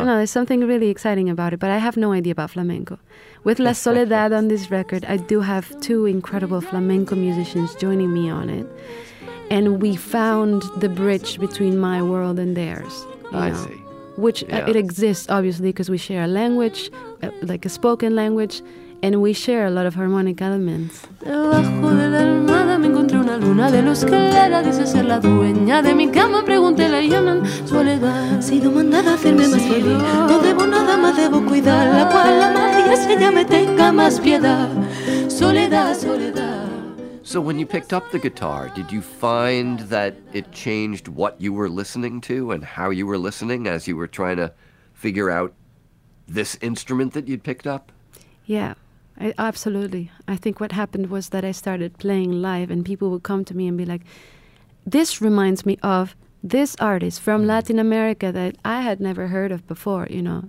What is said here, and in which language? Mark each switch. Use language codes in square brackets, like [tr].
[en] You know, there's something really exciting about it, but I have no idea about flamenco. With La Soledad on this record, I do have two incredible flamenco musicians joining me on it. And we found the bridge between my world and theirs. I see. Which, yeah. It exists, obviously, because we share a language, like a spoken language, and we share a lot of harmonic elements. [es] Debajo de la almohada me encontré una luna de luz clara. Dice ser la dueña de mi cama. Pregunté, la llaman soledad. Sido mandada a hacerme más feliz. No debo nada más, debo cuidar. La cual la magia se llame tenga más piedad. Soledad, soledad. [en] So when you picked up the guitar, did you find that it changed what you were listening to and how you were listening as you were trying to figure out this instrument that you'd picked up? Yeah, absolutely. I think what happened was that I started playing live, and people would come to me and be like, this reminds me of this artist from Latin America that I had never heard of before, you know.